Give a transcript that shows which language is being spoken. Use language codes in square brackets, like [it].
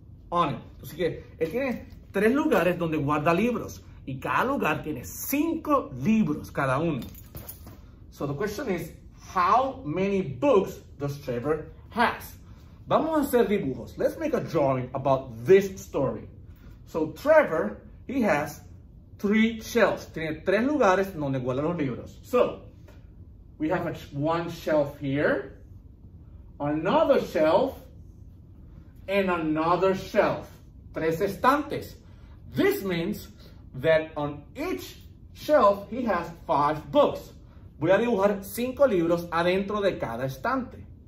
[es] Así que él tiene tres lugares donde guarda libros y cada lugar tiene cinco libros cada uno. [en] So the question is, how many books does Trevor has? [es] Vamos a hacer dibujos. [en] Let's make a drawing about this story. So Trevor, he has three shelves. [es] Tiene tres lugares donde guarda los libros. [en] So we have one shelf here, another shelf, and another shelf, [es] tres estantes. [en] This means that on each shelf, he has five books. [es] Voy a dibujar cinco libros adentro de cada estante.